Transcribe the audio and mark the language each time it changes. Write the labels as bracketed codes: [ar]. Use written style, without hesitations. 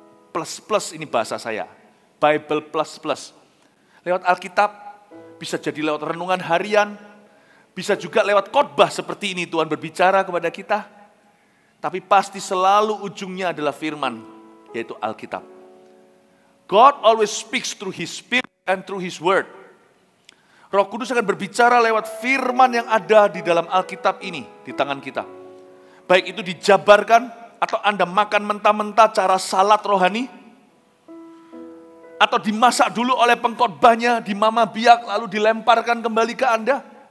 [id] Plus-plus ini bahasa saya. Bible plus-plus. Lewat Alkitab, bisa jadi lewat renungan harian, bisa juga lewat khotbah seperti ini Tuhan berbicara kepada kita. Tapi pasti selalu ujungnya adalah firman, yaitu Alkitab. [en] God always speaks through his spirit and through his word. [id] Roh Kudus akan berbicara lewat firman yang ada di dalam Alkitab ini, di tangan kita. Baik itu dijabarkan, atau Anda makan mentah-mentah cara salat rohani, atau dimasak dulu oleh pengkhotbahnya di mama biak, lalu dilemparkan kembali ke Anda.